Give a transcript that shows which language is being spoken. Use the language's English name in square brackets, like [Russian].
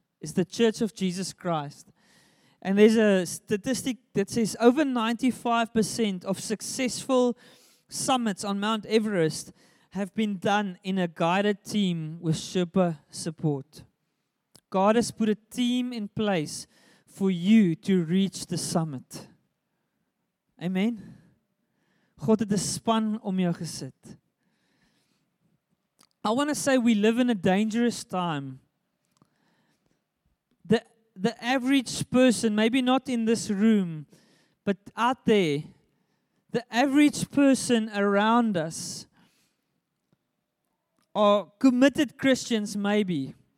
[English] It's the Church of Jesus Christ. And there's a statistic that says over 95% of successful summits on Mount Everest have been done in a guided team with Sherpa support. God has put a team in place for you to reach the summit. Amen? [Afrikaans] God het 'n span om jou gesit. [English] I want to say we live in a dangerous time. The average person, maybe not in this room, but out there, the average person around us are committed Christians maybe.